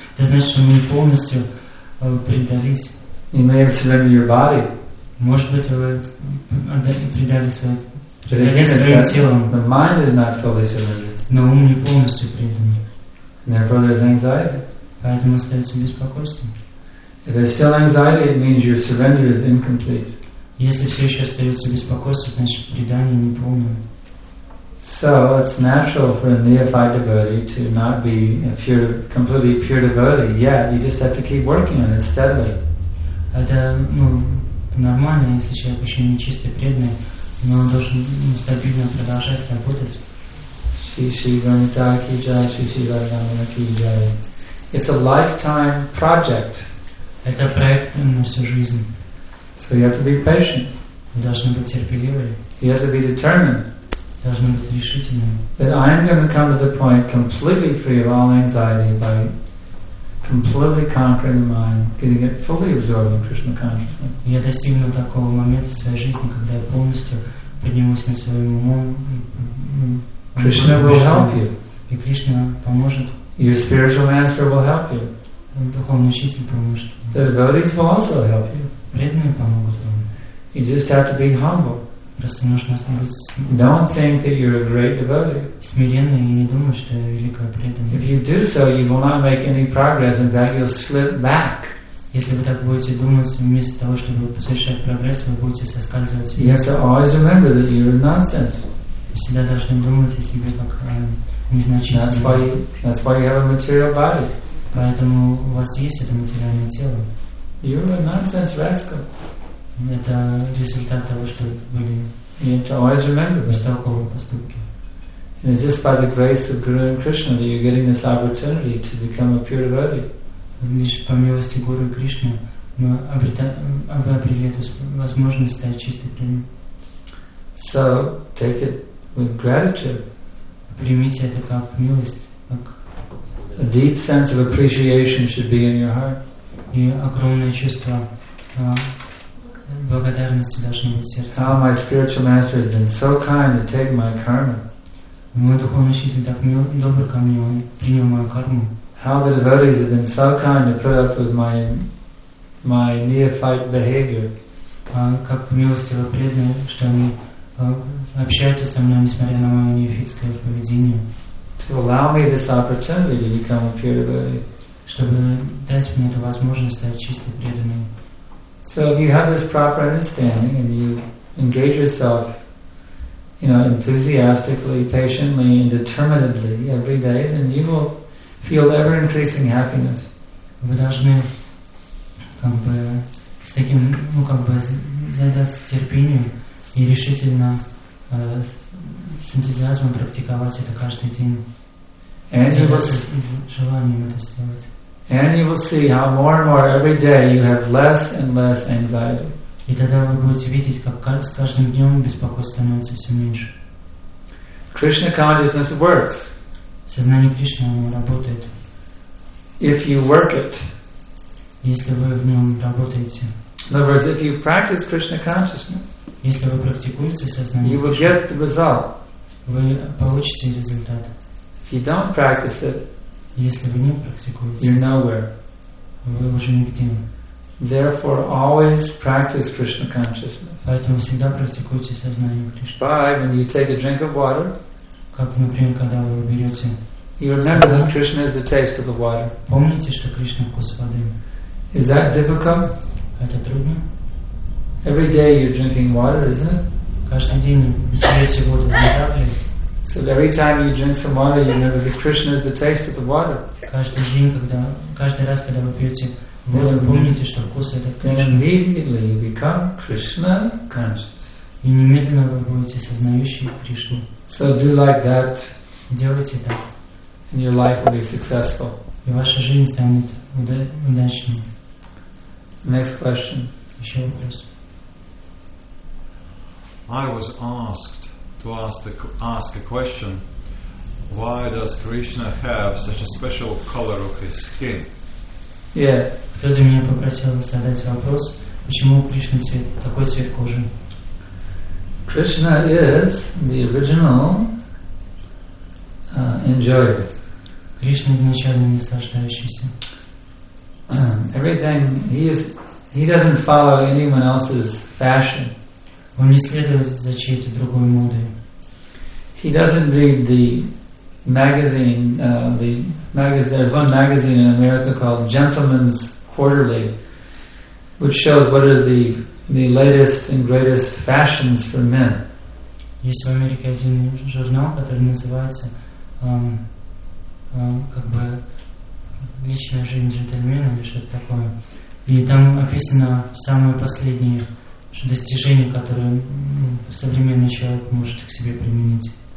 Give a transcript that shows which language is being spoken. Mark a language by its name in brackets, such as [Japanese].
[Russian] Это значит, что мы не полностью предались. [English] You may have surrendered your body. [Russian] Может быть, вы предали своим телом. [English] The mind is not fully surrendered. [Russian] Но ум не полностью предан. [English] Therefore, there's anxiety. [Russian] Поэтому остается беспокойство. [English] If there's still anxiety, it means your surrender is incomplete. [Russian] Если все еще остается беспокойство, значит предание неполное. [English] So it's natural for a neophyte devotee to not be a pure, completely pure devotee. Yet you just have to keep working on it steadily. [Russian] Это, ну, нормально, если человек еще не чистый преданный, но он должен стабильно продолжать работать. [English] It's a lifetime project. [Russian] Это проект на всю жизнь. [English] So you have to be patient. [Russian] Вы должны быть терпеливыми. [English] You have to be determined. [Russian] Вы должны быть решительными. [English] That I am going to come to the point completely free of all anxiety by completely conquering the mind, getting it fully absorbed in Krishna consciousness. [Russian] Я достигну такого момента в своей жизни, когда я полностью поднимусь над своим умом. [English] Krishna will help you. [Russian] И Кришна поможет. [English] Your spiritual master will help you. [Russian] Духовный учитель поможет. [English] The devotees will also help you. [Russian] Преданные помогут вам. [English] You just have to be humble. [Russian] Просто нужно остановиться. [English] Don't think that you're a great devotee. [Russian] Смиренно и не думать, что я великая преданная. [English] If you do so, you will not make any progress, and that you'll slip back. [Russian] Если вы так будете думать, вместо того, чтобы совершать прогресс, вы будете соскальзывать. [English] You have to always remember that you're nonsense. [Russian] Вы всегда должны думать о себе как незначительном. [English] That's why you have a material body. [Russian] Поэтому у вас есть это материальное тело. [English] You're a nonsense rascal. [Russian] Это результат того, что были. [English] You have to always remember this. [Russian] Бестолковые поступки. [English] And it's just by the grace of Guru and Krishna that you're getting this opportunity to become a pure devotee. [Russian] Лишь по милости Гуру и Кришны вы обрели эту возможность стать чистой преданной. [English] So take it with gratitude. [Russian] Примите это как милость. [English] A deep sense of appreciation should be in your heart. [Russian] И огромное чувство благодарности должны быть в сердце. [English] Oh, my spiritual master has been so kind to take my karma. [Russian] Мой духовный учитель так добр ко мне, он принял мою карму. [English] How the devotees have been so kind to put up with my neophyte behavior. [Russian] Как милостиво преданные, что они общаются со мной, несмотря на мое неофитское поведение. [English] To allow me this opportunity to become a pure devotee. [Russian] Чтобы дать мне эту возможность стать чистым преданным. [English] So if you have this proper understanding and you engage yourself, you know, enthusiastically, patiently, and determinedly every day, then you will feel ever increasing happiness. [Russian] Вы должны как бы с таким, ну как бы задаться терпением и решительно с энтузиазмом практиковать это каждый день. [English] And you will [Russian] с желанием это сделать. [English] And you will see how more and more every day you have less and less anxiety. [Russian] И тогда вы будете видеть, как с каждым днем беспокойство становится все меньше. [English] Krishna consciousness works. [Russian] Сознание Кришны работает. [English] If you work it. [Russian] Если вы в нем работаете. [English] In other words, if you practice Krishna consciousness. [Russian] Если вы практикуете сознание. [English] You will get the result. [Russian] Вы получите результат. [English] If you don't practice it. [Russian] Если вы не практикуете, [English] you're nowhere. [Russian] Вы уже нигде. [English] Therefore, always practice Krishna consciousness. [Russian] Поэтому всегда практикуйте сознание Кришны. [English] By when you take a drink of water, [Russian] как, например, когда вы берете, [English] you remember that Krishna is the taste of the water. [Russian] Помните, что Кришна вкус воды. [English] Is that difficult? [Russian] Это трудно. [English] Every day you're drinking water, isn't it? [Russian] Каждый день пьете воду, не так ли? [English] So every time you drink some water, you remember that Krishna is the taste of the water. [Russian] Каждый день, когда каждый раз, когда вы пьете воду, помните, что вкус это Кришна. [English] Then immediately you become Krishna conscious. [Russian] И немедленно вы будете сознающим Кришну. [English] So do like that. [Russian] Делайте так. [English] And your life will be successful. [Russian] И ваша жизнь станет удачной. [English] Next question. [Russian] Еще вопрос. [English] I was asked. To ask a question, why does Krishna have such a special color of his skin? Yeah. [Russian] Кто-то меня попросил задать вопрос, почему Кришна такой цвет кожи? [English] Krishna is the original enjoyer. [Russian] Кришна изначально наслаждающийся. [English] Everything he doesn't follow anyone else's fashion. Он не следует за чьей-то другой модой. He doesn't read the magazine. There's one magazine in America called Gentleman's Quarterly, which shows what are the latest and greatest fashions for men. [Russian] Есть в Америке один журнал, который называется как бы личная жизнь джентльмена или что-то такое, и там описано самые последние достижения, которые современный человек может к себе применить.